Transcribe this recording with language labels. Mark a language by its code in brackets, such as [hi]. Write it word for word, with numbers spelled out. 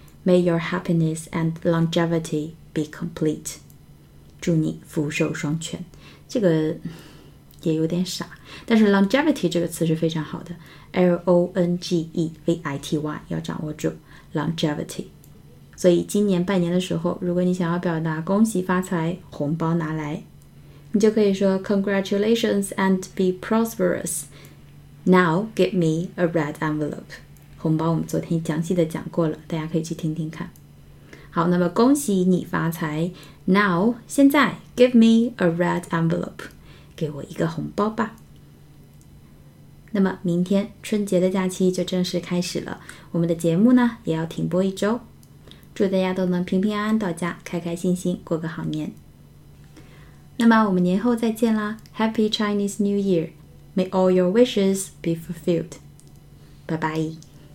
[en] May your happiness and longevity be complete， [zh] 祝你福寿双全。这个也有点傻，但是 longevity 这个词是非常好的 L O N G E V I T Y 要掌握住 longevity。所以今年拜年的时候，如果你想要表达恭喜发财，红包拿来，你就可以说 [en] Congratulations and be prosperous， Now give me a red envelope。 [zh] 红包我们昨天详细的讲过了，大家可以去听听看。好，那么恭喜你发财， Now 现在 [en] give me a red envelope， [zh] 给我一个红包吧。那么明天春节的假期就正式开始了，我们的节目呢也要停播一周，祝大家都能平平安安到家，开开心心过个好年。那么我们年后再见啦 [en] Happy Chinese New Year， May all your wishes be fulfilled， [zh] 拜拜。